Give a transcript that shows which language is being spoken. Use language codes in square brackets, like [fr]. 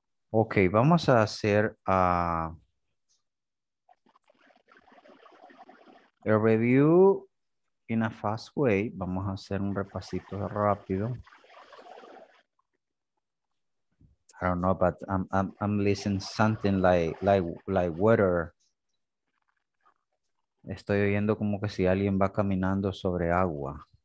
[es] Ok, vamos a hacer [en] a review. In a fast way, [es] vamos a hacer un repasito rápido. [en] I don't know, but I'm listening something like water. [es] Estoy oyendo como que si alguien va caminando sobre agua.